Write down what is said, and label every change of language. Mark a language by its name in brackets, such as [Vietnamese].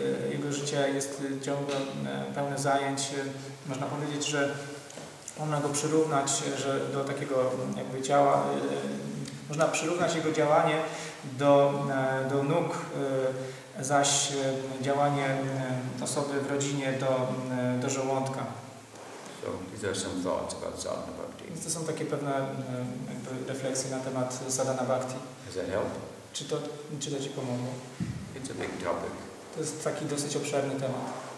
[Polish] Jego życie jest ciągle pełne zajęć. Można powiedzieć, że można go przyrównać że do takiego jakby ciała. Można przyrównać jego działanie do nóg, zaś działanie osoby w rodzinie do żołądka. [English] So, these are some thoughts about Sadhana Bhakti. [Polish] Więc to są takie pewne jakby refleksje na temat Sadhana Bhakti. [English] Does that help? [Polish] Czy to ci pomogło? [English] It's a big topic. [Polish] To jest taki dosyć obszerny temat.